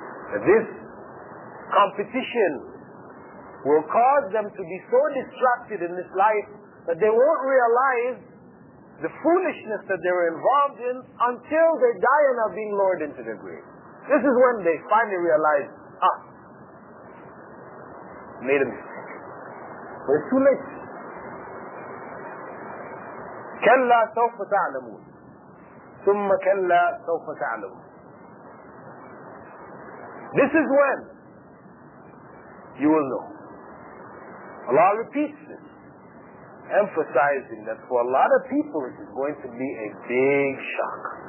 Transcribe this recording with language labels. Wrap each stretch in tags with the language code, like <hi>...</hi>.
<en>And this competition will cause them to be so distracted in this life that they won't realize the foolishness that they were involved in until they die and are being lowered into the grave. This is when they finally realize, made a mistake. But it's too late.</en> <ar>كلا سوف تعلمون ثم كلا سوف تعلمون.</ar> <en>This is when you will know. Allah repeats this, emphasizing that for a lot of people it is going to be a big shock.</en>